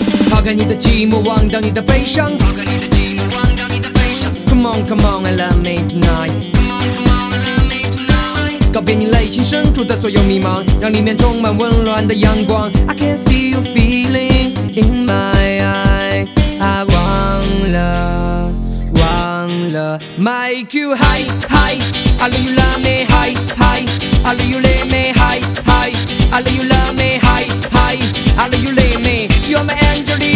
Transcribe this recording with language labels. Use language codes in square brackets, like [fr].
[zh] 抛开你的寂寞，忘掉你的悲伤。抛开你的寂寞，忘掉你的悲伤。 [en] Come on, come on, and love me tonight. Come on, come on, and love me tonight. [zh] 告别你内心深处的所有迷茫，让里面充满温暖的阳光。 [en] I can see your feeling in my eyes. I want love, want love. Make you high, high. I love you, love me, high, high. I love you, let me, high, high. I love you, love me, high, high. I love you, let me. You're my angel.